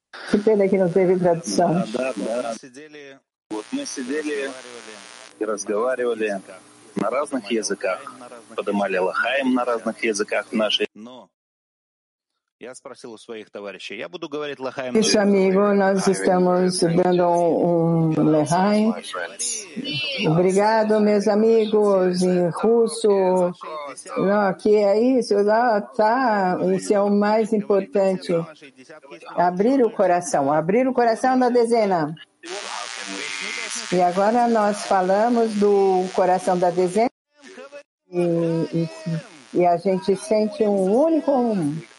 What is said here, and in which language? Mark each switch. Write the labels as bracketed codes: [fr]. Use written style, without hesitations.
[pt] Que pena que não teve tradução. [ru] Вот мы сидели и разговаривали на разных языках, подымали лахаим на разных языках нашей. Но я спросил у своих товарищей, я буду говорить лахаим. [pt] Isso, amigo, nós estamos dando лахаим. Obrigado, meus amigos, em russo. Não, aqui é isso, ah, tá, isso é o mais importante. Abrir o coração na dezena. E agora nós falamos do coração da dezena e a gente sente um único um.